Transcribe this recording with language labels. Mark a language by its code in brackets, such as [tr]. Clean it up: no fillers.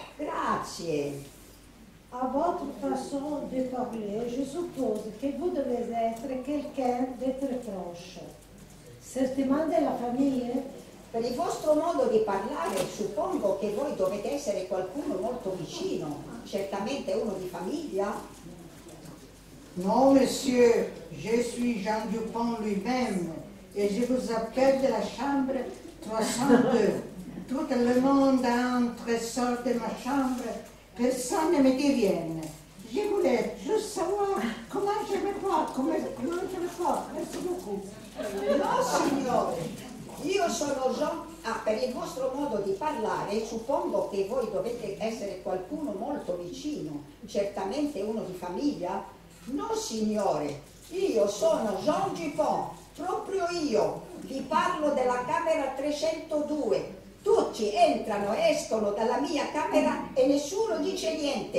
[it] Grazie. [fr] A votre façon de parler, je suppose que vous devez être quelqu'un de très proche. Certainement de la famille, [it] Per il vostro modo di parlare, suppongo che voi dovete essere qualcuno molto vicino, certamente uno di famiglia. [fr] No, monsieur, je suis Jean Dupont lui-même, et je vous appelle de la chambre 302. Tout le monde entre et sort de ma chambre, personne ne me dit rien. Je voulais juste savoir comment je me vois, comment je me vois. Merci beaucoup. [it] No, signore, io sono Jean. Ah, per il vostro modo di parlare, suppongo che voi dovete essere qualcuno molto vicino, certamente uno di famiglia. No, signore, io sono Jean Dupont, proprio io. Vi parlo della camera 302. Tutti entrano e escono dalla mia camera e nessuno dice niente.